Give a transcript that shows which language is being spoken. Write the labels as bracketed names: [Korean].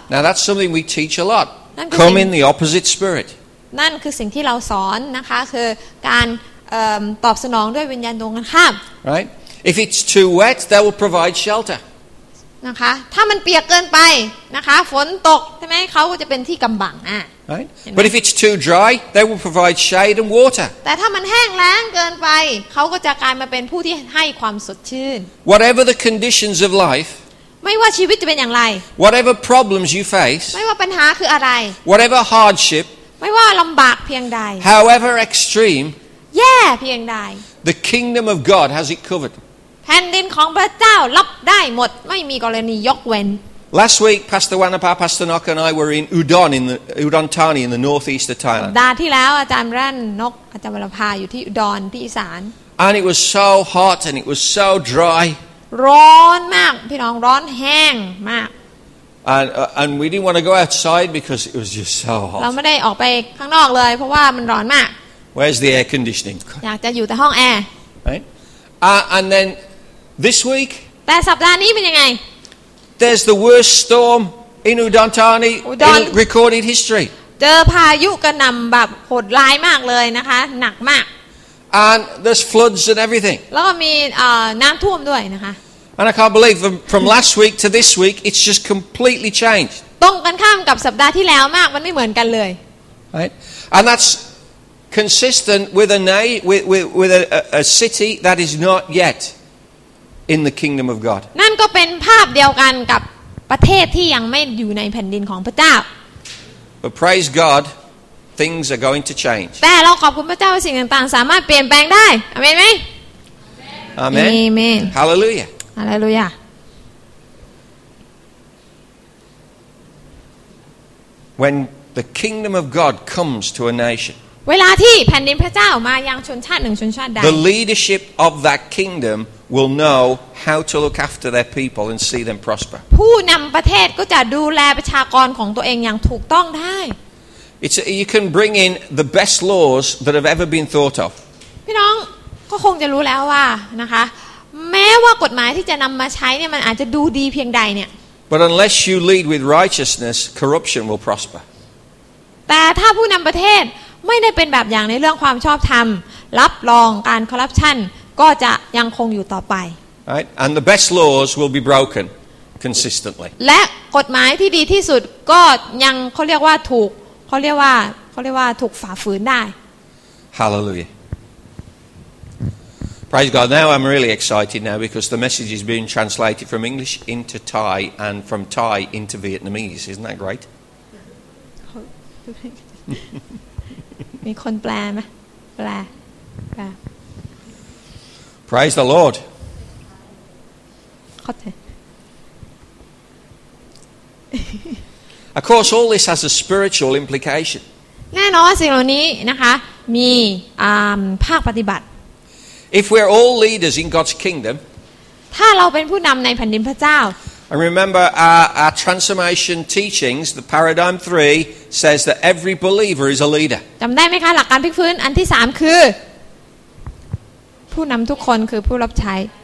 [English] Now that's something we teach a lot Come in the opposite spirit [Thai] นั่นคือสิ่งที่เราสอนนะคะคือการตอบสนองด้วยวิญญาณดวงกันข้าม [English] right if it's too wet they will provide shelter [Thai] นะคะถ้ามันเปียกเกินไปนะคะฝนตกใช่ไหมเขาก็จะเป็นที่กำบังอ่ะ [English] right but if it's too dry they will provide shade and water [Thai] แต่ถ้ามันแห้งแล้งเกินไปเขาก็จะกลายมาเป็นผู้ที่ให้ความสดชื่น [English] whatever the conditions of life [Thai] ไม่ว่าชีวิตจะเป็นอย่างไร [English] whatever problems you face [Thai] ไม่ว่าปัญหาคืออะไร [English] whatever hardship [Thai] ไม่ว่าลำบากเพียงใด [English] However extreme [Thai] แย่เพียงใด [English] The kingdom of God has it covered [Thai] แผ่นดินของพระเจ้ารับได้หมดไม่มีกรณียกเว้น [English] Last week Pastor Wanapa Pastor Nok and I were in Udon in the Udon Thani in the northeast of Thailand [Thai] ดาที่แล้วอาจารย์รั่นนกอาจารย์วรภาอยู่ที่อุดรที่อีสาน [English] And it was so hot and it was so dry [Thai] ร้อนมากพี่น้องร้อนแห้งมาก [English] And we didn't want to go outside because it was just so hot. [Thai] เราไม่ได้ออกไปข้างนอกเลยเพราะว่ามันร้อนมาก [English] Where's the air conditioning? [Thai] อยากจะอยู่แต่ห้องแอร์ [English] Right. And then this week. [Thai] แต่สัปดาห์นี้เป็นยังไง [English] There's the worst storm in Udon Thani in recorded history. [Thai] เจอพายุกระหน่ำแบบโหดร้ายมากเลยนะคะหนักมาก [English] And there's floods and everything. [Thai] แล้วก็มีน้ำท่วมด้วยนะคะ [English] And I can't believe from last week to this week it's just completely changed. [Thai] ตรงกันข้ามกับสัปดาห์ที่แล้วมากมันไม่เหมือนกันเลย [English] Right. And that's consistent with a city that is not yet in the kingdom of God. [Thai] นั่นก็เป็นภาพเดียวกันกับประเทศที่ยังไม่อยู่ในแผ่นดินของพระเจ้า [English] But praise God. things are going to change. [Thai] แต่เราขอบคุณพระเจ้าว่าสิ่งต่างๆสามารถเปลี่ยนแปลงได้อาเมนมั้ย อาเมน อาเมน [English] Hallelujah. Hallelujah. When the kingdom of God comes to a nation. [Thai] เวลาที่แผ่นดินพระเจ้ามายังชนชาติหนึ่งชนชาติใด [English] The leadership of that kingdom will know how to look after their people and see them prosper. [Thai] ผู้นำประเทศก็จะดูแลประชากรของตัวเองอย่างถูกต้องได้ [English] It's you can bring in the best laws that have ever been thought of. [Thai] พี่น้องก็คงจะรู้แล้วว่านะคะแม้ว่ากฎหมายที่จะนำมาใช้เนี่ยมันอาจจะดูดีเพียงใดเนี่ย [English] But unless you lead with righteousness, corruption will prosper. [Thai] แต่ถ้าผู้นำประเทศไม่ได้เป็นแบบอย่างในเรื่องความชอบธรรมรับรองการคอร์รัปชันก็จะยังคงอยู่ต่อไป [English] Right and the best laws will be broken consistently [Thai] และกฎหมายที่ดีที่สุดก็ยังเขาเรียกว่าถูกเขาเรียกว่าถูกฝ่าฝืนได้ [English] Hallelujah Praise God now I'm really excited now because the message is being translated from English into Thai and from Thai into Vietnamese isn't that great [Thai] มีคนแปลไหมแปลแปล [English] Praise the Lord Of course all this has a spiritual implication [Thai] แน่นอนสิ่งเหล่านี้นะคะมีภาคปฏิบัติ [English] If we're all leaders in God's kingdom [Thai] ถ้าเราเป็นผู้นำในแผ่นดินพระเจ้า [English] And remember our transformation teachings the paradigm 3 says that every believer is a leader [Thai] จำได้ไหมคะหลักการพลิกฟื้นอันที่3คือผู้นำทุกคนคือผู้รับใช้